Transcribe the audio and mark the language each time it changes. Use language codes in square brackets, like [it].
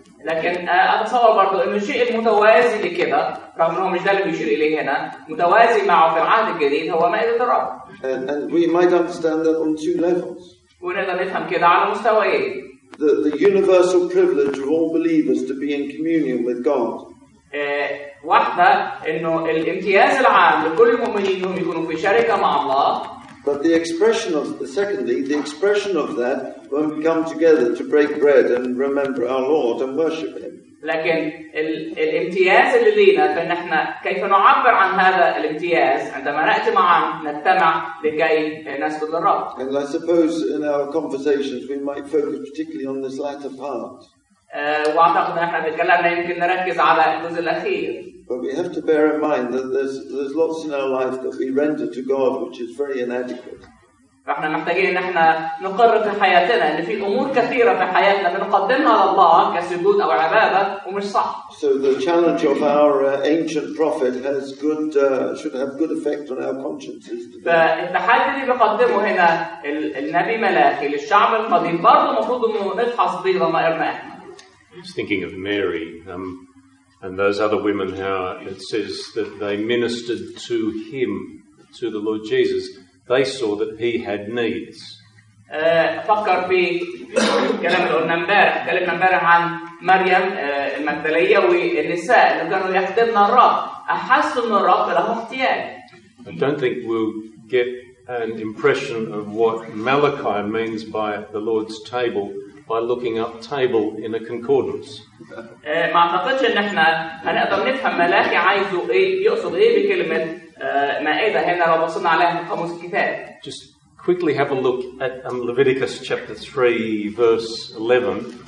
[ar] لكن اتصور برضه انه الشيء المتوازي لكده رغم انه مش ده اللي بيشير اليه هنا متوازي معه في العهد الجديد هو مائده الرب. [en] And we might understand that on two levels. [ar] ونقدر نفهم كده على مستويين. [en] The universal privilege of all believers to be in communion with God. [ar] واحدة إنه الامتياز العام لكل المؤمنين هم يكونوا في شركة مع الله. [en] But the expression of the expression of that when we come together to break bread and remember our Lord and worship Him. [ar] لكن الامتياز اللي لينا فإن إحنا كيف نعبر عن هذا الامتياز عندما نأتي معا نجتمع لكي نسجد للرب. [en] And I suppose in our conversations we might focus particularly on this latter part. [ar] وأعتقد إحنا بكلامنا يمكن نركز على الجزء الأخير. [en] But we have to bear in mind that there's lots in our life that we render to God which is very inadequate. [ar] فاحنا محتاجين ان احنا نقرر في حياتنا ان في امور كثيره في حياتنا بنقدمها لله كسجود او عباده ومش صح. [en] So the challenge of our ancient prophet has good should have good effect on our consciences. [ar] فالتحدي اللي بيقدمه هنا النبي ملاخي للشعب القديم برضه المفروض انه نفحص بيه ضمائرنا احنا. [en] He's thinking of Mary and those other women, how it says that they ministered to him, to the Lord Jesus. They saw that he had needs. [ar] فكر في كلام اللي قلنا امبارح اتكلمنا امبارح عن مريم المجدليه والنساء اللي كانوا يخدمن الرب احسوا ان الرب له احتياج. [en] I don't think we'll get an impression of what Malachi means by the Lord's table by looking up table in a concordance. [ar] ما اعتقدش ان احنا هنقدر نفهم ملاكي عايزه ايه يقصد ايه بكلمه مائده هنا لو بصينا عليها في قاموس الكتاب. [en] Just quickly have a look at Leviticus chapter 3, verse 11.